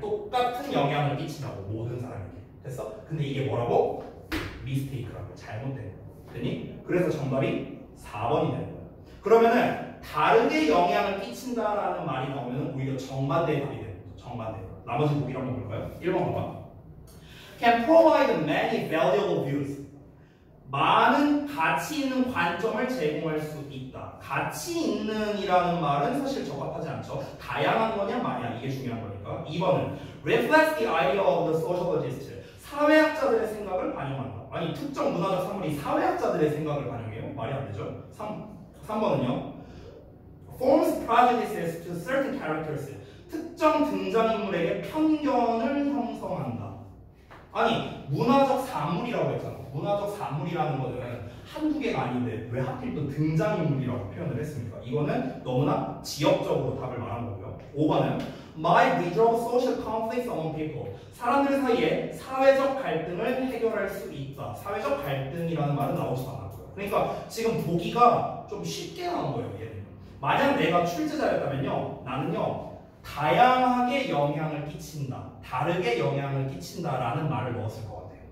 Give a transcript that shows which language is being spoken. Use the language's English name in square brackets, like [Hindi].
[Korean] 똑같은 영향을 끼친다고. 모든 사람에게. 됐어? 근데 이게 뭐라고? mistake라고. 잘못된 거야. 되니? 그래서 정답이 4번이 되는 거야. 그러면은 다르게 영향을 끼친다라는 말이 나오면 오히려 정반대의 답이 되는 거죠. 정반대. 나머지 보기 한번 볼까요? 1번 봐봐. [English] Can provide many valuable views. [Korean] 많은 가치 있는 관점을 제공할 수 있다. 가치 있는이라는 말은 사실 적합하지 않죠. 다양한 거냐 마냐 이게 중요한 거니까. 2번은 [English] reflect the idea of the sociologist. [Korean] 사회학자들의 생각을 반영한다. 아니 특정 문화적 산물이 사회학자들의 생각을 반영해요? 말이 안 되죠. 3번은요. [English] Forms prejudices to certain characters. [Korean] 특정 등장인물에게 편견을 형성한다. 아니, 문화적 산물이라고 했잖아. 문화적 산물이라는 것은 한두 개가 아닌데 왜 하필 또 등장인물이라고 표현을 했습니까? 이거는 너무나 지역적으로 답을 말한 거고요. 5번은 [English] My withdrawal social conflicts among people. [Korean] 사람들 사이에 사회적 갈등을 해결할 수 있다. 사회적 갈등이라는 말은 나오지 않았고요. 그러니까 지금 보기가 좀 쉽게 나온 거예요, 얘는. 만약 내가 출제자였다면요, 나는요, 다양하게 영향을 끼친다, 다르게 영향을 끼친다라는 말을 넣었을 것 같아요.